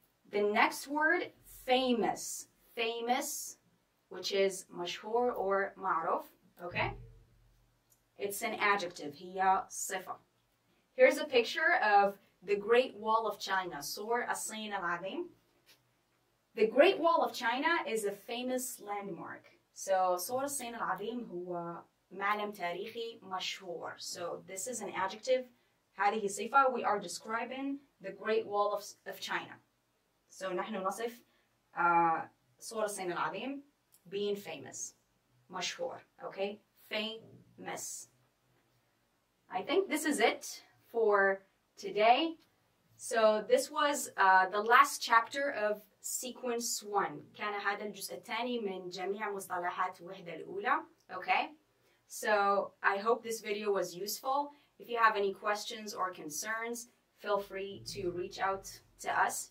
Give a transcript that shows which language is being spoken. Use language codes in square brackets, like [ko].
[en] The next word, famous. Famous, which is مشهور or معروف, okay? It's an adjective, [ar] هي صفة. [en] Here's a picture of the Great Wall of China, [ar] صور الصين العظيم. [en] The Great Wall of China is a famous landmark. [ar] So صور الصين العظيم هو معلم تاريخي مشهور. [en] So this is an adjective, [ar] هذه صفة. [en] We are describing the Great Wall of China. [ar] So نحن نصف صور الصين العظيم [en] being famous, [ar] مشهور, okay? [en] Famous. I think this is it for today. So this was the last chapter of sequence one. [ar] كان هذا الجزء الثاني من جميع مصطلحات الوحدة الأولى, okay? [en] So I hope this video was useful. If you have any questions or concerns, feel free to reach out to us.